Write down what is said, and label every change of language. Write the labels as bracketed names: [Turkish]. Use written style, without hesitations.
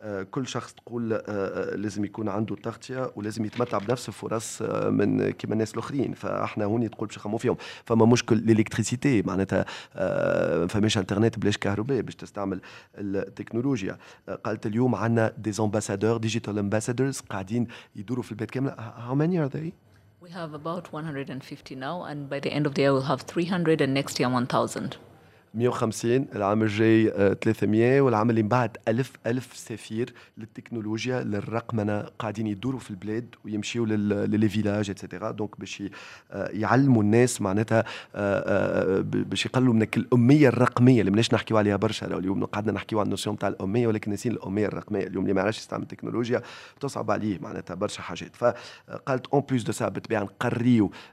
[Arabic] كل شخص تقول لازم يكون عنده تغطية ولازم يتمتع بنفس الفرص من كيما الناس الاخرين فاحنا هون تقول باش نخمو فيهم فما مشكل للالكتريسيتي معناتها فماش انترنت بلاش كهرباء باش تستعمل التكنولوجيا قالت اليوم عندنا ديزامباسادور ديجيتال امباسادورز قاعدين يدوروا في البيت كامل [English] how many are they we have about 150 now and by the end of the year we'll have 300 and next year 1000 [Arabic] 150 العام الجاي 300 والعام اللي بعد 1000 سفير للتكنولوجيا للرقمنه قاعدين يدوروا في البلاد ويمشيوا للي فيلاج ايتترا دونك باش يعلموا الناس معناتها باش يقللوا من الاميه الرقميه اللي مناش نحكيوا عليها برشا اليوم قعدنا نحكيوا على النوسيون تاع الاميه ولكن نسين الاميه الرقميه اليوم اللي ما عرفش يستعمل التكنولوجيا تصعب عليه معناتها برشا حاجات فقالت [French] اون بليس دو سا [Arabic] بتبيع نقريو